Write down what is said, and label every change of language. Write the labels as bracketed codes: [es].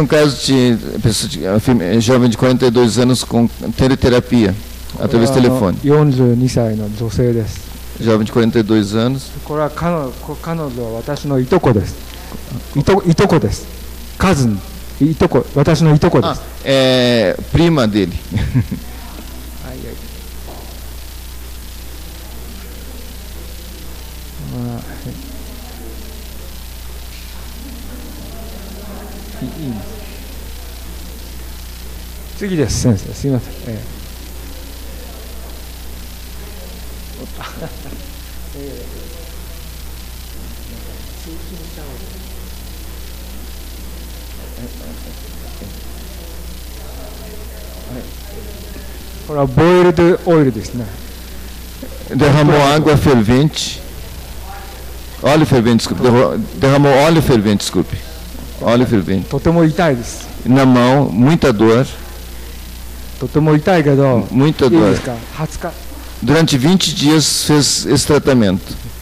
[pt] um caso de pessoa jovem de 42 anos com teleterapia. Através do telefone. [ja] 42歳の女性です. [pt] Jovem de 42 anos. [ja] これは彼女は私のいとこです。いとこです. [en] Cousin. [ja] いとこ、私のいとこです. [pt] Ah, é prima dele. Ai, ai. Ah. [ja] 次です先生すいません、これはボイルドオイルですね。 [pt] Derramou água fervente. Óleo fervente, desculpe. Derramou óleo fervente, desculpe. Óleo fervente. [ja] Totemo itai desu. [pt] Na mão, muita dor. [ja] Totemo itai kedo. [pt] Muita dor. [ja] Hatsuka. [pt] Durante 20 dias fez esse tratamento.